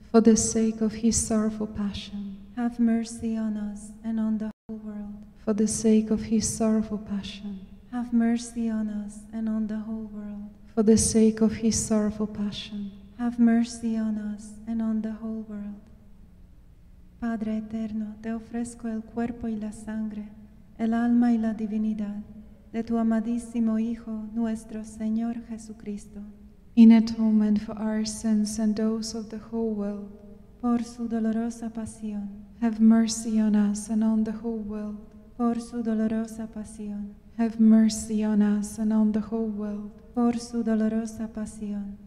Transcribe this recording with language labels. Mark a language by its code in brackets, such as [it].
[en] For the sake of his sorrowful passion, have mercy on us and on the whole world. For the sake of his sorrowful passion, have mercy on us and on the whole world. For the sake of his sorrowful passion, have mercy on us and on the whole world. [es] Padre eterno, te ofrezco el cuerpo y la sangre, el alma y la divinidad de tu amadísimo Hijo, nuestro Señor Jesucristo. [en] In atonement for our sins and those of the whole world, [es] por su dolorosa pasión, [en] have mercy on us and on the whole world. [es] Por su dolorosa pasión, [en] have mercy on us and on the whole world. [es] Por su dolorosa pasión,